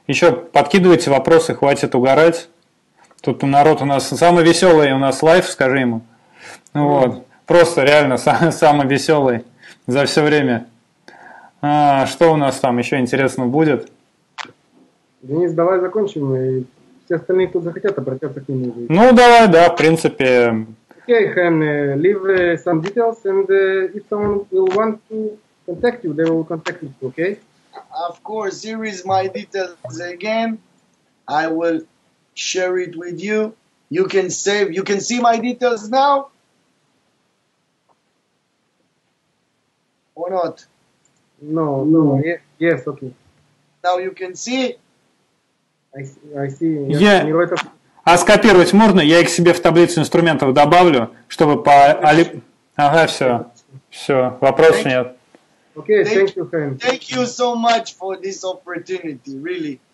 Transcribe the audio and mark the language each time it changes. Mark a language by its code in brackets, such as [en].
[ru] Еще подкидывайте вопросы, хватит угорать. Тут народ у нас самый веселый, у нас лайф, скажи ему. Ну вот, просто реально самый веселый за все время. А, что у нас там еще интересно будет? Денис, давай закончим, и все остальные, кто захотят, обратятся к нему. Ну давай, да, в принципе. [en] Okay, Hen, leave some details, and if someone will want to contact you, they will contact you, okay? Of course, here is my details again. I will share it with you. You can save, you can see my details now. Or not? No. Yes, okay. Now you can see. I see. [ru] Yeah. А скопировать можно? Я их себе в таблицу инструментов добавлю, чтобы по... Ага, все. Все, вопросов нет. [en] Okay, thank you, Hen. Thank you so much for this opportunity, really.